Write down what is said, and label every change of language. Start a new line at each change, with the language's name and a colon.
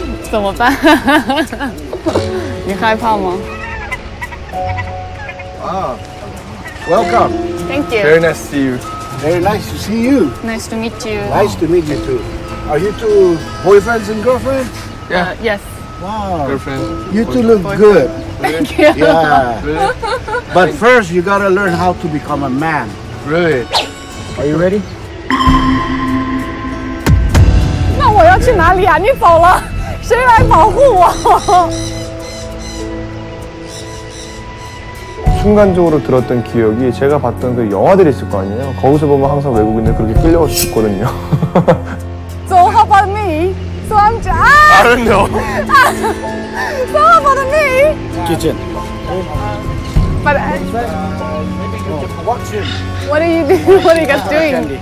Chinese: 怎么办？你害怕吗？啊，
English: Welcome. Thank you. Very nice to see you. Very nice to see you. Nice to meet you. Nice to meet you too. Are you two boyfriends and girlfriends? Yeah. Yes. Wow. Girlfriend. You two look good. Thank you. Yeah. But first, you gotta learn how to become a man. Really? Are you ready?
Chinese: 那我要去哪里啊？你走了，谁来保护我？
Korean: 순간적으로 들었던 기억이 제가 봤던 그 영화들이 있을 거 아니에요. 거기서 보면 항상 외국인들 그렇게 끌려올 수 있거든요.
English: So how about me? So I'm just. I don't know. So how about me? Kitchen. But I... What are you doing? What are you guys doing?